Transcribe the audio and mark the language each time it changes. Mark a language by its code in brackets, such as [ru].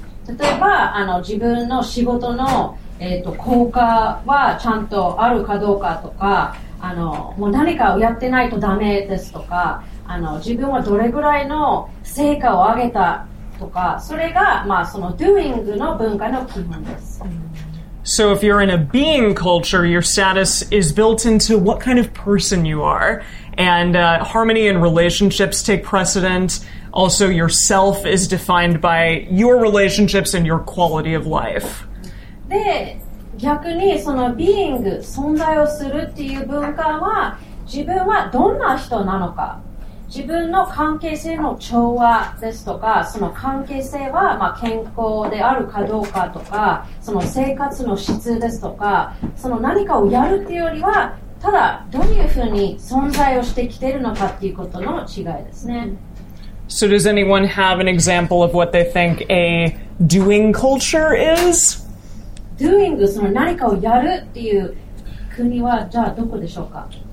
[ja] 例えば自分の仕事の、効果はちゃんとあるかどうかとか、もう何かをやってないとダメですとか、自分はどれぐらいの成果を上げたとか、それが、まあ、その doing の文化の基本です。 [en] So if you're in a being culture, your status is built into what kind of person you are. And harmony in relationships take precedent. Also, yourself is defined by your relationships and your quality of life. [ja] で、逆にその being、存在をするっていう文化は、自分はどんな人なのか。自分の関係性の調和ですとか、その関係性は、まあ、健康であるかどうかとか、その生活の質ですとか、その何かをやるっていうよりは、ただどういうふうに存在をしてきているのかっていうことの違いですね。 [en] So does anyone have an example of what they think a doing culture is? [ja] Doing, その何かをやるっていう国はじゃあどこでしょうか？